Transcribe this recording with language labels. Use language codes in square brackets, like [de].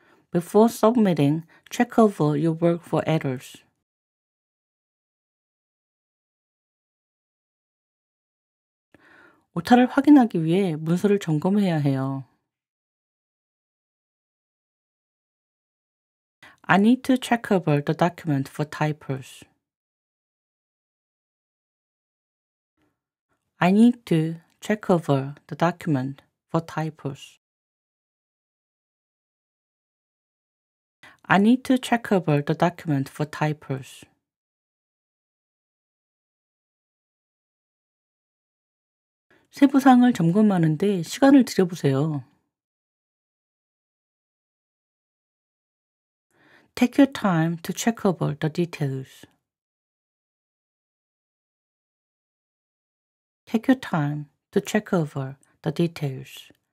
[en] "Before submitting, check over your work for errors." [ko] 오타를 확인하기 위해 문서를 점검해야 해요. [en] "I need to check over the document for typos." "I need to check over the document for typos." "I need to check over the document for typos." [ko] 세부사항을 점검하는데 시간을 들여보세요. [en] "Take your time to check over the details." "Take your time to check over the details."